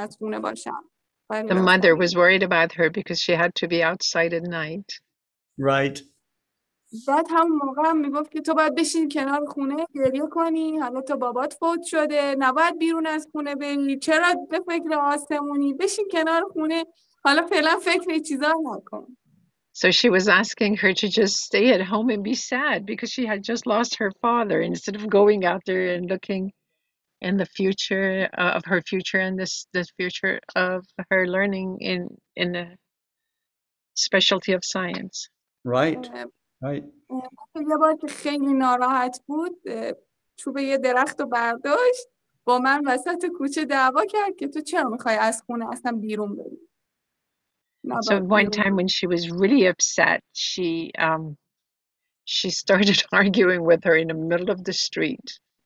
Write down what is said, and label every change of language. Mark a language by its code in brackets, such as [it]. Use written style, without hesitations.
[en] The mother was worried about her because she had to be outside at night. Right. [fa] بعد همون موقع هم میگفت که تو باید بشین کنار خونه گریه کنی، حالا تو بابات فوت شده، نباید بیرون از خونه بری، چرا به فکر آسمونی، بشین کنار خونه، حالا فعلا فکر این چیزا نکن. [en] So she was asking her to just stay at home and be sad because she had just lost her father instead of going out there and looking in the future of her future and this future of her learning in the specialty of science. Right. [fa] یه بار که خیلی ناراحت بود چوبه یه درخت رو برداشت با من وسط کوچه دعوا کرد که تو چرا میخوای از خونه اصلا بیرون بری. [en] So one time when she was really upset, she started arguing with her in the middle of the street.